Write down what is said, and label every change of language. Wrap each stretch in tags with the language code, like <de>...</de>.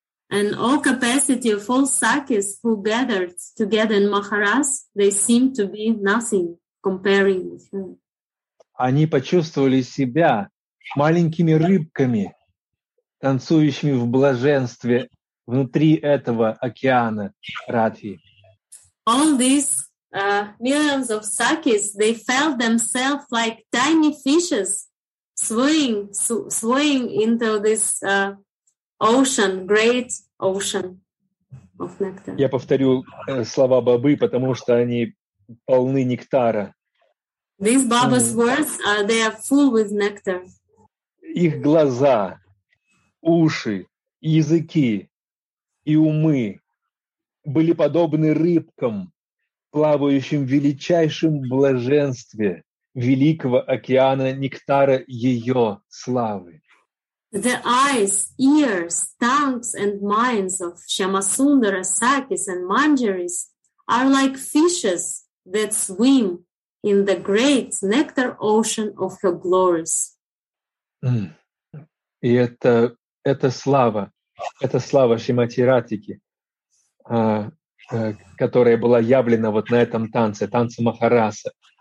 <en>And all capacity of all Sakis who gathered together in Maharas, they seem to be nothing comparing with her.</en> <ru>Они почувствовали себя маленькими рыбками, танцующими в блаженстве внутри этого океана Радхи.</ru> <en>All these millions of Sakis, they felt themselves like tiny fishes swimming into this ocean, great ocean of nectar.</en> <ru>Я повторю слова Бабы, потому что они полны нектара.</ru> <en>These Baba's words, they are full with nectar.</en> <ru>Их глаза, уши, языки и умы были подобны рыбкам, плавающим в величайшем блаженстве великого океана нектара ее славы.</ru> <en>The eyes, ears, tongues and minds of Shyamasundara, Sakis and Manjaris are like fishes that swim in the great nectar ocean of her glories.</en> <ru>И это слава Шримати Радхики, которая была явлена вот на этом танце, танце Махараса,</ru>